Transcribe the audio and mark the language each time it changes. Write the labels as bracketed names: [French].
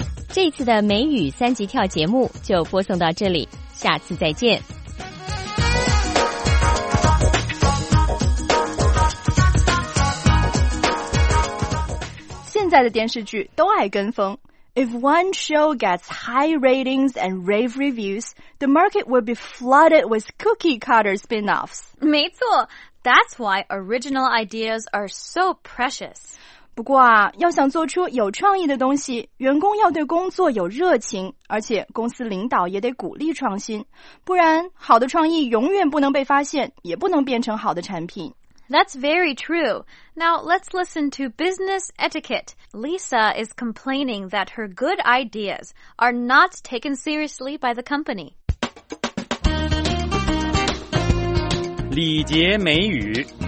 [Chinese] 这次的美语三级跳节目就播送到这里，下次再见。现在的电视剧都爱跟风。 [English] If one show gets high ratings and rave reviews, the market will be flooded with cookie cutter spin-offs. [Chinese] 没错， [English] that's why original ideas are so precious. [Chinese] 不过啊，要想做出有创意的东西，员工要对工作有热情，而且公司领导也得鼓励创新，不然好的创意永远不能被发现，也不能变成好的产品。 [English] That's very true. Now let's listen to business etiquette. Lisa is complaining that her good ideas are not taken seriously by the company. [Chinese] 礼节美语。